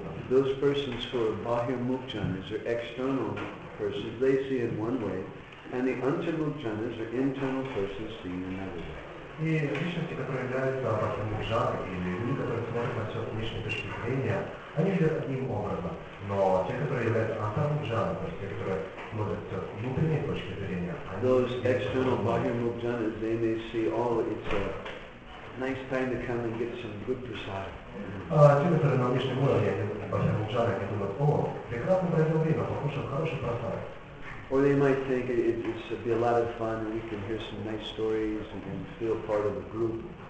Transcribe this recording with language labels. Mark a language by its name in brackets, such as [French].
[English] Those persons who are Bahirmukhjanas are external persons, they see in one way, and the Antarmukhjanas are internal persons seeing another way. [Russian] И личности, которые являются Бахирмукхджаной или людьми, которые смотрят на все с внешней точки зрения, они видят одним образом. Но те, которые являются Антарамукхджаной, то есть те, которые смотрят все с внутренней точки зрения, они [English] Those external Бахирмукхджанас, they may see, oh, it's a nice time to come and get some good prasad. [Russian] Те, которые на внешнем уровне, Бахирмукхджаны, они думают, о, прекрасно пройдет время, покушал хороший прасад. [English] Or they might think it's be a lot of fun and we can hear some nice stories and can feel part of a group.